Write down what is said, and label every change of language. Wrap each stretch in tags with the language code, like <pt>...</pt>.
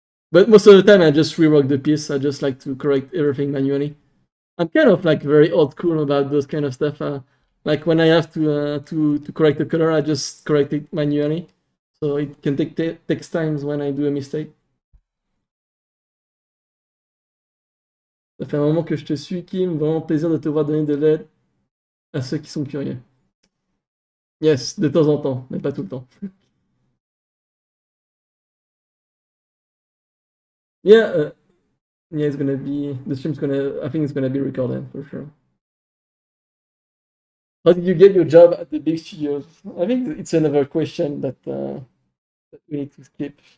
<en>But most of the time, I just rework the piece. I just like to correct everything manually. I'm kind of very old school about those kind of stuff. When I have to correct the color, I just correct it manually. So it can takes times when I do a mistake.</en> <fr>Ça fait un moment que je te suis, Kim. Vraiment plaisir de te voir donner de l'aide à ceux qui sont curieux. Yes, de temps en temps, mais pas tout le temps.</fr> <en>Yeah, it's gonna be, the stream's gonna, I think it's gonna be recorded for sure. How did you get your job at the big studios? I think it's another question that we need to skip.</en>